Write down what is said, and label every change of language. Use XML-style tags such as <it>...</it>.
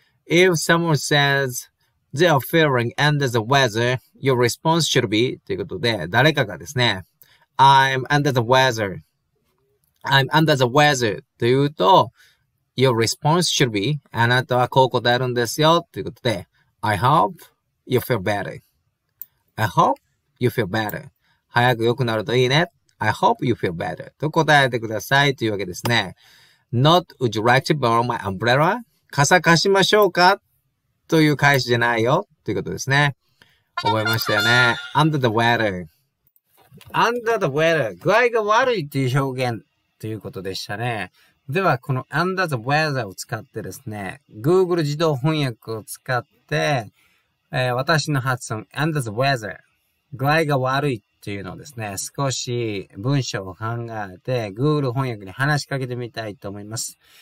<en>If someone says they are feeling under the weather, your response should be</en> <ja>ということで、誰かがですね、</ja> <en>I'm under the weather、 I'm under the weather</en> <ja>というと、</ja> <en>your response should be、</en> <ja>あなたはこう答えるんですよということで、</ja> <en>I hopeYou feel better. I hope you feel better.</en> <ja>早く良くなるといいね。</ja> <en>I hope you feel better.</en> <ja>と答えてくださいというわけですね。</ja> <en>Not would you like to borrow my umbrella?</en> <ja>傘貸しましょうかという返しじゃないよということですね。覚えましたよね。</ja> <en>Under the weather. Under the weather.</en> <ja>具合が悪いという表現ということでしたね。では、この Under the weather を使ってですね、Google 自動翻訳を使って、私の発音、under the weather、 具合が悪いっていうのをですね、少し文章を考えて Google 翻訳に話しかけてみたいと思います。</ja>